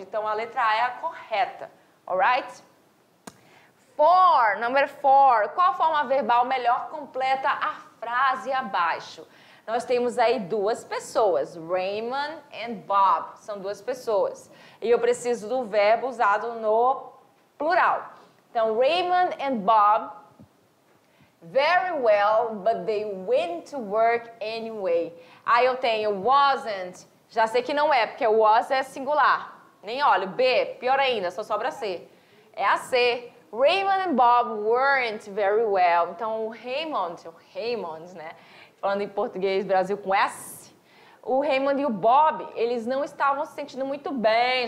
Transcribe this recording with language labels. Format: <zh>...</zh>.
<pt>Então, a letra A é a correta.</pt> <en>Alright? Number four.</en> <pt>Qual forma verbal melhor completa a frase abaixo? Nós temos aí duas pessoas, Raymond and Bob, são duas pessoas. E eu preciso do verbo usado no plural.</pt> <en>Então, Raymond and Bob, very well, but they went to work anyway.</en> <pt>Aí eu tenho wasn't, já sei que não é, porque was é singular. Nem olho, B, pior ainda, só sobra C. É a C.</pt> <en>Raymond and Bob weren't very well.</en> <pt>Então, o Raymond, né? Falando em português, Brasil com S. O Raymond e o Bob, eles não estavam se sentindo muito bem.</pt>